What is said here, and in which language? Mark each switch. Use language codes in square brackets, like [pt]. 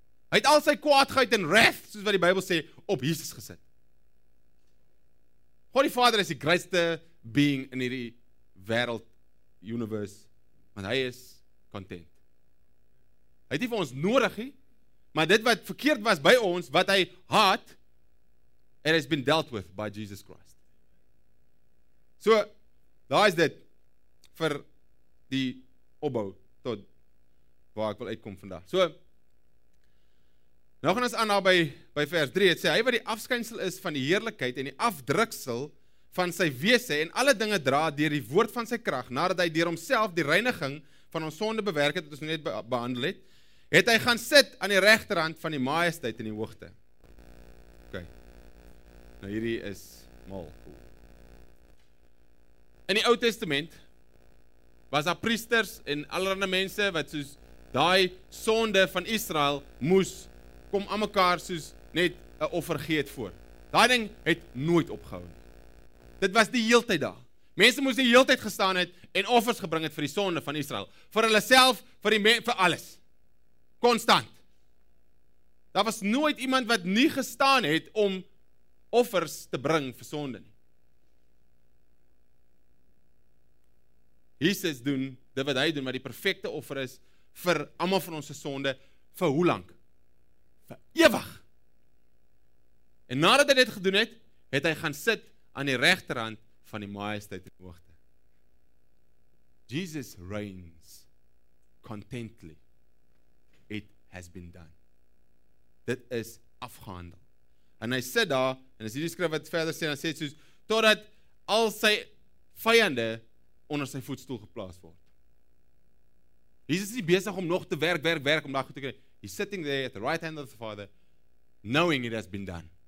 [af] Hy het al sy kwaadheid en wrath, soos wat die Bybel sê, op Jesus gesit. God die Vader is die grootste being in hierdie wêreld, universe, want hy is content. Hy het nie vir ons nodig, he. Maar dit wat verkeerd was by ons, wat hy haat, [en] it has been dealt with by Jesus Christ. [af] So, daar is dit vir die opbou tot waar ek wil uitkom vandag. So, nou gaan ons aan daar by vers 3, het sê, hy wat die afskynsel is van die heerlikheid en die afdruksel van sy wese en alle dinge dra deur die woord van sy krag, nadat hy deur homself die reiniging van ons sonde bewerk het, wat ons net behandel het, het hy gaan sit aan die regterhand van die majesteit in die hoogte. Ok, nou hierdie is mal. In die Ou Testament was daar priesters en allerhande mense wat soos die sonde van Israel moes kom aan mekaar soos net 'n offer gee het voor. Daai ding het nooit opgehou. Dit was die heeltyd daar. Mense moes die heeltyd gestaan het en offers gebring het vir die sonde van Israel. Vir hulle self, vir alles. Konstant. Daar was nooit iemand wat nie gestaan het om offers te bring vir sonde nie. Jesus doen, dit wat hy doen, wat die perfekte offer is vir almal van ons sonde, vir hoe lank? Vir ewig. En nadat hy dit gedoen het, het hy gaan sit aan die regterhand van die majesteit in die hoogte. [en] Jesus reigns contently. It has been done. [af] Dit is afgehandel. En hy sit daar, en as hierdie skrif wat verder sê, dan sê soos, totdat al sy vyande onder sy voetstoel geplaas word. Jesus is nie besig om nog te werk, om daar goed te kry. [en] He's sitting there at the right hand of the Father, knowing it has been done.